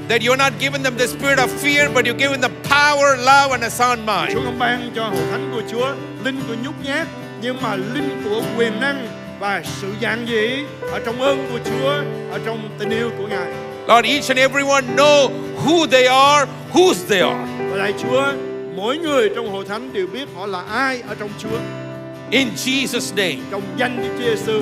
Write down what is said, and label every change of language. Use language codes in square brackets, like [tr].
[en] That you're not giving them the spirit of fear, but you're giving them power, love, and a sound mind. [vi] Chúa không ban cho hội thánh của Chúa linh của nhút nhát, nhưng mà linh của quyền năng và sự giản dị ở trong ơn của Chúa, ở trong tình yêu của Ngài. [en] Lord, each and everyone know who they are, whose they are. [vi] Lạy Chúa, mỗi người trong hội thánh đều biết họ là ai ở trong Chúa. [en] In Jesus' name. [vi] Trong danh Đức Chúa Jesus.